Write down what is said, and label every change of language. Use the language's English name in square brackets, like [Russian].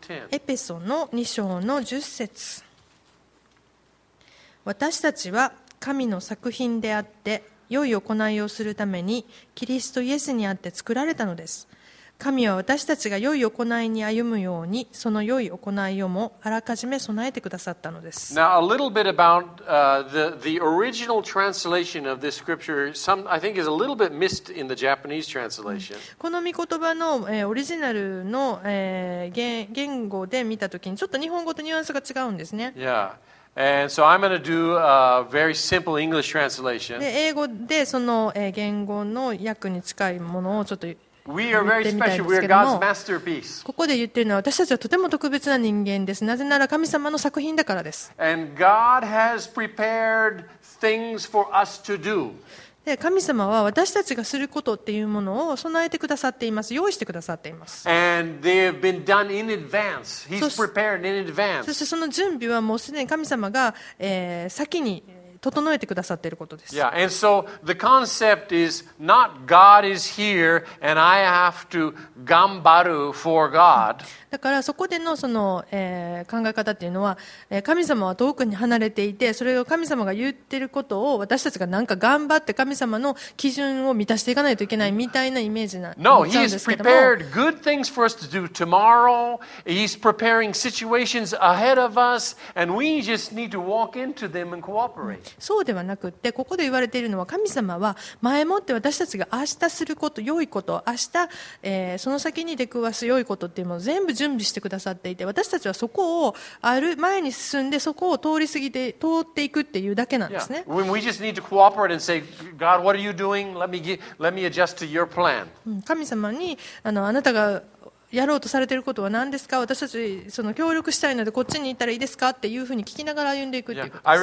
[Japanese] エペソの2章の10節。私たちは神の作品であって良い行いをするためにキリストイエスにあって作られたのです。神は私たちが良い行いに歩むようにその良い行いをもあらかじめ備えてくださったのです。 [English] Now a little bit about the original translation of this scripture. Some I think is a little bit missed in the Japanese translation. [Japanese] この御言葉の、オリジナルの、言語で見たときにちょっと日本語とニュアンスが違うんですね。 [English] Yeah. And so I'm going to do a very simple English translation. [Japanese] で英語でその、言語の訳に近いものをちょっと [English] We are very special. We are God's masterpiece. [Japanese] ここで言ってるのは私たちはとても特別な人間です。なぜなら神様の作品だからです。 [English] And God has prepared things for us to do. [Japanese] で神様は私たちがすることっていうものを備えてくださっています。用意してくださっています。 [English] And they have been done in advance. He's prepared in advance. [Japanese] そしてその準備はもうすでに神様が、先に整えてくださっていることです。 [English] Yeah, and so the concept is not God is here and I have to [Japanese] 頑張る [English] for God. [Japanese] だからそこでのその、考え方っていうのは、神様は遠くに離れていて、それを神様が言っていることを私たちがなんか頑張って神様の基準を満たしていかないといけないみたいなイメージなんですけども。 [English] No, He has prepared good things for us to do tomorrow. He's preparing situations ahead of us, and we just need to walk into them and cooperate. [Japanese] そうではなくって、ここで言われているのは神様は前もって私たちが明日すること良いこと、明日、その先に出くわす良いことっていうものを全部準備してくださっていて、私たちはそこをある前に進んでそこを通り過ぎて通っていくっていうだけなんですね。 [English] We just need to cooperate and say, God, what are you doing? Let me adjust to your plan. [Japanese] 神様に あなたがやろうとされていることは何ですか、私たちその協力したいのでこっちに行ったらいいですかっていうふうに聞きながら歩んでいくっていうことですね。